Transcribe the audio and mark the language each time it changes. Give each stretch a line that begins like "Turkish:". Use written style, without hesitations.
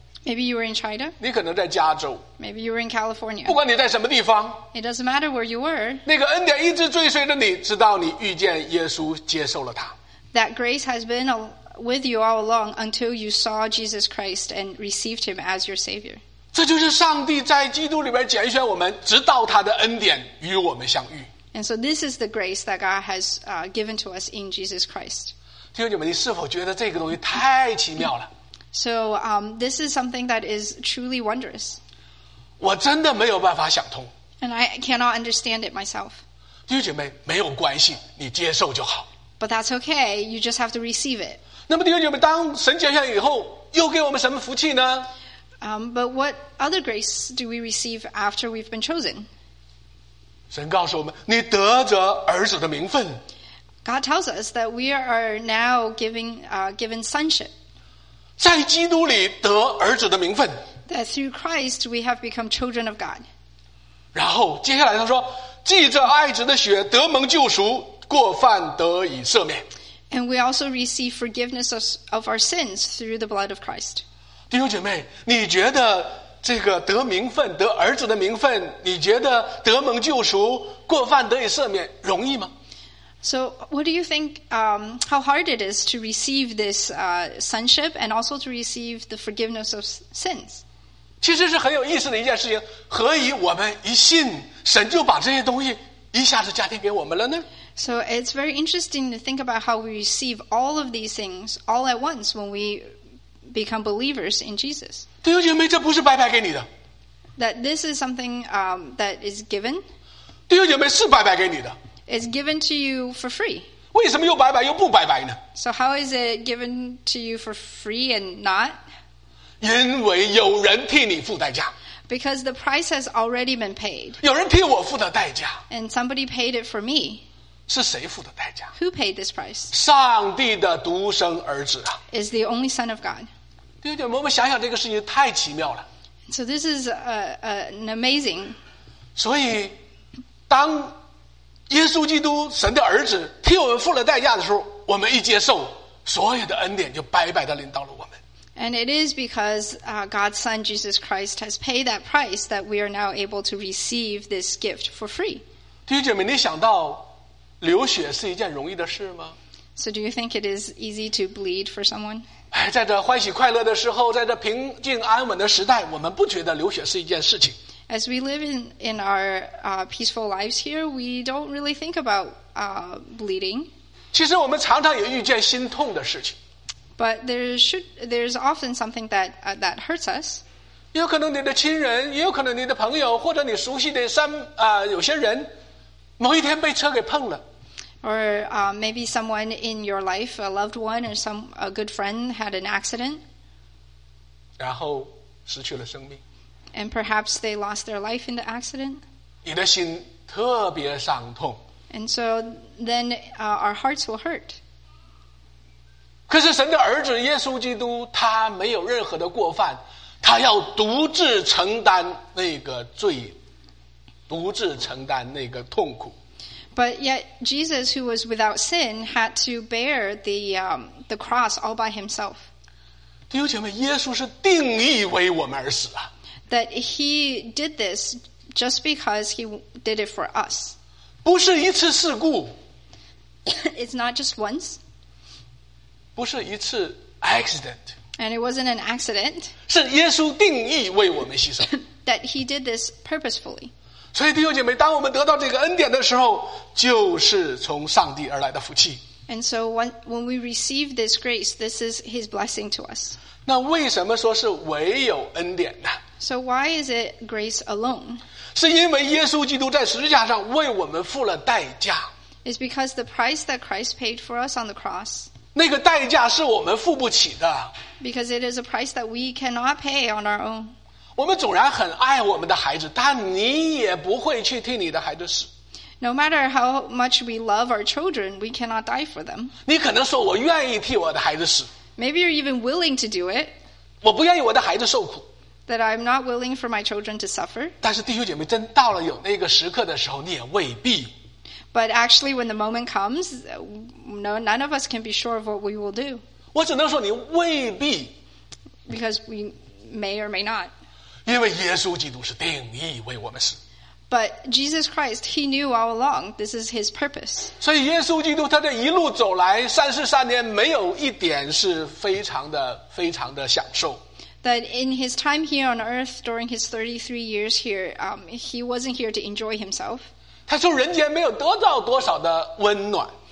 English: Maybe you were in China.
Chinese: 你可能在加州。
English: Maybe you were in California.
Chinese: 不管你在什么地方。
English: It doesn't matter where you were.
Chinese: 那个恩典一直追随着你，直到你遇见耶稣，接受了他。
English: That grace has been with you all along until you saw Jesus Christ and received him as your Savior.
Chinese: 这就是上帝在基督里边拣选我们，直到他的恩典与我们相遇。
English: And so this is the grace that God has given to us in Jesus Christ.
Chinese: 弟兄姐妹，你是否觉得这个东西太奇妙了？
English: So, this is something that is truly wondrous.
Chinese: 我真的没有办法想通。
English: And I cannot understand it myself.
Chinese: 弟兄姐妹，没有关系，你接受就好。
English: But that's okay, you just have to receive it.
Chinese: 那么弟兄姐妹，当神拣选以后，又给我们什么福气呢？
English: But what other grace do we receive after we've been chosen?
Chinese: 神告诉我们，你得着儿子的名分。
English: God tells us that we are now given sonship.
Chinese: 在基督里得儿子的名分。
English: That through Christ we have become children of God.
Chinese: 然后接下来他说，借着爱子的血得蒙救赎，过犯得以赦免。
English: And we also receive forgiveness of our sins through the blood of Christ.
Chinese: 弟兄姐妹，你觉得这个得名分，得儿子的名分，你觉得得蒙救赎，过犯得以赦免，容易吗？
English: So what do you think, how hard it is to receive this sonship and also to receive the forgiveness of sins?
Chinese: 其实是很有意思的一件事情，何以我们一信，神就把这些东西一下子加添给我们了呢？
English: So it's very interesting to think about how we receive all of these things all at once when we become believers in Jesus.
Chinese: 弟兄姐妹，这不是白白给你的。
English: That this is something, that is given.
Chinese: 弟兄姐妹，是白白给你的。
English: Is given to you for free.
Chinese: 为什么又白白又不白白呢？
English: So how is it given to you for free and not?
Chinese: 因为有人替你付代价。
English: Because the price has already been paid.
Chinese: 有人替我付的代价。
English: And somebody paid it for me.
Chinese: 是谁付的代价？
English: Who paid this price?
Chinese: 上帝的独生儿子啊。
English: Is the only son of God.
Chinese: 弟兄姐妹，我们想想这个事情太奇妙了。
English: So this is an amazing.
Chinese: 所以当耶稣基督神的儿子替我们付了代价的时候，我们一接受，所有的恩典就白白的临到了我们。
English: And it is because God's Son Jesus Christ has paid that price that we are now able to receive this gift for free.
Chinese: 弟兄姐妹，你想到流血是一件容易的事吗？
English: So do you think it is easy to bleed for someone?
Chinese: 哎，在这欢喜快乐的时候，在这平静安稳的时代，我们不觉得流血是一件事情。
English: As we live in our peaceful lives here, we don't really think about bleeding.
Chinese: 其实我们常常也遇见心痛的事情。
English: But there's often something that hurts us.
Chinese: 也有可能你的亲人，也有可能你的朋友，或者你熟悉的有些人，某一天被车给碰了。
English: Or maybe someone in your life, a loved one or a good friend had an accident.
Chinese: 然后失去了生命。
English: And perhaps they lost their life in the accident.
Chinese: 你的心特别伤痛。
English: And so then our hearts will hurt.
Chinese: 可是神的儿子耶稣基督他没有任何的过犯，他要独自承担那个罪，独自承担那个痛苦。
English: But yet Jesus, who was without sin, had to bear the cross all by himself.
Chinese: 弟兄姐妹，耶稣是定义为我们而死啊。
English: That he did this just because he did it for us.
Chinese: 不是一次事故。
English: It's not just once.
Chinese: 不是一次 accident.
English: And it wasn't an accident.
Chinese: 是耶稣定义为我们牺牲。
English: That he did this purposefully.
Chinese: 所以弟兄姐妹，当我们得到这个恩典的时候，就是从上帝而来的福气。
English: And so when we receive this grace, this is His blessing to us.
Chinese: 那为什么说是唯有恩典呢？
English: So why is it grace alone?
Chinese: 是因为耶稣基督在十字架上为我们付了代价。
English: It's because the price that Christ paid for us on the cross.
Chinese: 那个代价是我们付不起的。
English: Because it is a price that we cannot pay on our own.
Chinese: 我们纵然很爱我们的孩子，但你也不会去替你的孩子死。
English: No matter how much we love our children, we cannot die for them.
Chinese: 你可能说我愿意替我的孩子死。
English: Maybe you're even willing to do it.
Chinese: 我不愿意我的孩子受苦。
English: That I'm not willing for my children to suffer.
Chinese: 但是弟兄姐妹，真到了有那个时刻的时候，你也未必。
English: But actually, when the moment comes, none of us can be sure of what we will do.
Chinese: 我只能说你未必。
English: Because we may or may not.
Chinese: 因为耶稣基督是定义为我们死。
English: But Jesus Christ, he knew all along, this is his purpose.
Chinese: 所以耶稣基督他这一路走来三十三年没有一点是非常的非常的享受。
English: That in his time here on earth, during his 33 years here, he wasn't here to enjoy himself.
Chinese: 他从人间没有得到多少的温暖。